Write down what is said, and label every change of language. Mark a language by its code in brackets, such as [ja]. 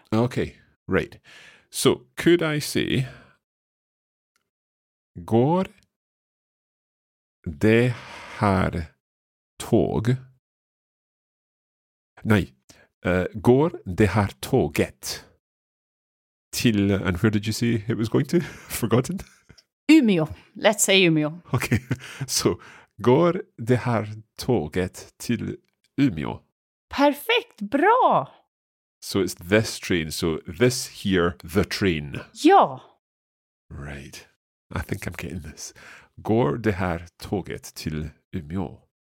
[en] Okay, right. So could I say, [sv] gor de har tog? Nej, gor de har toget till, [en] and where did you say it was going to? Forgotten? Umeå. Let's say Umeå. Okay, so [sv] går det här tåget till Umeå? Perfekt, bra! [en] So it's this train, so this here, the train. [sv] Ja! [en] Right, I think I'm getting this. [sv] Går det här tåget till Umeå?